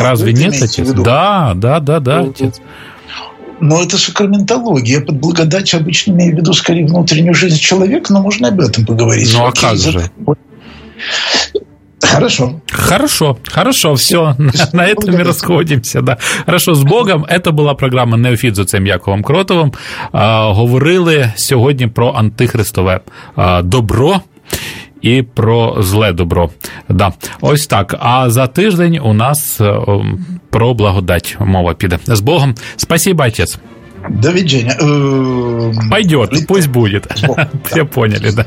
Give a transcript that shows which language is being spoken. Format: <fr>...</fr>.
<ru>Разве нет, отец? Да, отец. Но это сакраментология. Под благодать обычно имею в виду скорее внутреннюю жизнь человека, но можно об этом поговорить. Ну, а как же? Хорошо. Все, на этом мы расходимся. Да. Хорошо, з Богом.</ru> <uk>Это була програма «Неофіт» з отцем Яковом Кротовим. Говорили сьогодні про антихристове добро і про зле добро. Да. Ось так. А за тиждень у нас про благодать мова піде. З Богом.</uk> <ru>Спасибо, отец.</ru> <uk>До відження.</uk> <ru>Пойдет, пусть будет. Все поняли.</ru>